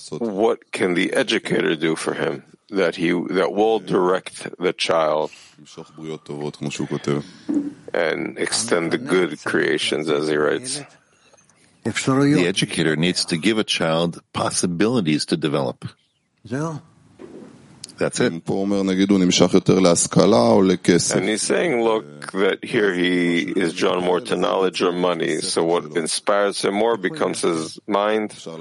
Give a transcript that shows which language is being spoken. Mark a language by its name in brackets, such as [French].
[English] So, what can the educator do for him that will direct the child [Hebrew] למשוך בריאות טובות, כמו שהוא כותב? [English] And extend the good creations, as he writes. The educator needs to give a child possibilities to develop. [Hebrew] זהו. [English] That's it. And he's saying, look, that here he is drawn more to knowledge or money, so what inspires him more becomes his mind.